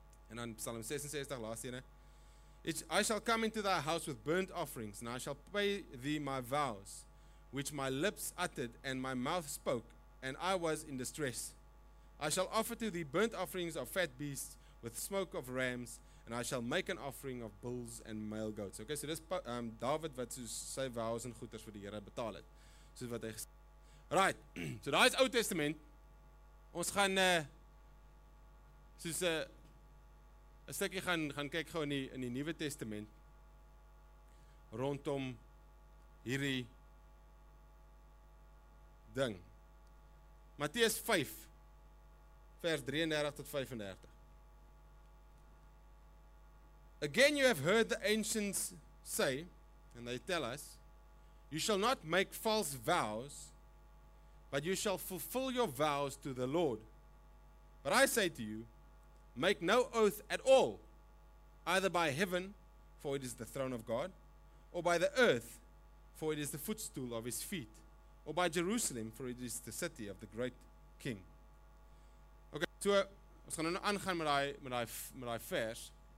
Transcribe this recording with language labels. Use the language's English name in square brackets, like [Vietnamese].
[English] And on Psalm 66, last year, I shall come into thy house with burnt offerings, and I shall pay thee my vows, which my lips uttered and my mouth spoke, and I was in distress. I shall offer to thee burnt offerings of fat beasts with smoke of rams, and I shall make an offering of bulls and male goats. [Afrikaans] Okay, so dis David wat soos sy vows en goeders vir die Here betaal het. Soos wat hy gesê. Right, so daai is Ou Testament. Ons gaan soos 'n stukkie gaan kyk gou in die Nuwe Testament rondom hierdie ding. Matteus 5 vers 33 tot 35. [English] Again, you have heard the ancients say, and they tell us, you shall not make false vows, but you shall fulfill your vows to the Lord. But I say to you, make no oath at all, either by heaven, for it is the throne of God, or by the earth, for it is the footstool of his feet, or by Jerusalem, for it is the city of the great king. [Afrikaans] Okay, so ons gaan nou aangaan met daai vers.